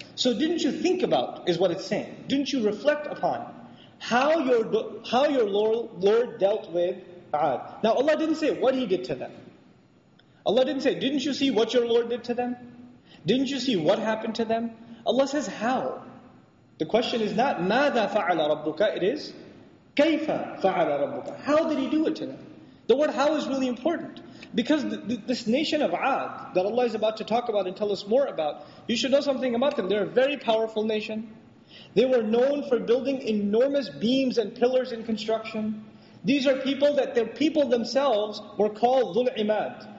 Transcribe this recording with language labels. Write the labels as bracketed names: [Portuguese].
[English] So didn't you think about, is what it's saying. Didn't you reflect upon how your Lord dealt with Ad? Now Allah didn't say what he did to them. Allah didn't say, didn't you see what your Lord did to them? Didn't you see what happened to them? Allah says, how? The question is not, [Arabic] ماذا فعل ربك? [English] It is, [Arabic] كيف فعل ربك? [English] How did he do it to them? The word how is really important. Because this nation of Ad, that Allah is about to talk about and tell us more about, you should know something about them. They're a very powerful nation. They were known for building enormous beams and pillars in construction. These are people that their people themselves were called Dhul Imad.